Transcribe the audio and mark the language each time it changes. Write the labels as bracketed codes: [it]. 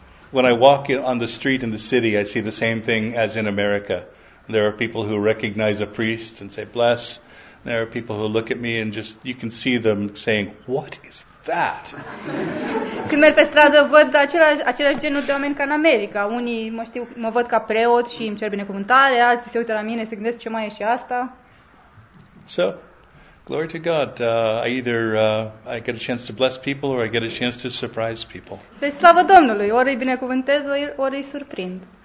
[en] When I walk on the street in the city, I see the same thing as in America. There are people who recognize a priest and say bless. There are people who look at me and just you can see them saying what is that? [ro] Când merg pe stradă văd același genul de oameni ca în America. Unii mă știu, mă văd ca preot și îmi cer binecuvântare, alții se uită la mine și se gândesc ce mai e și asta. [en] So, glory to God. I either I get a chance to bless people or I get a chance to surprise people. [ro] Deci, slavă Domnului, ori îi binecuvântez, ori îi surprind.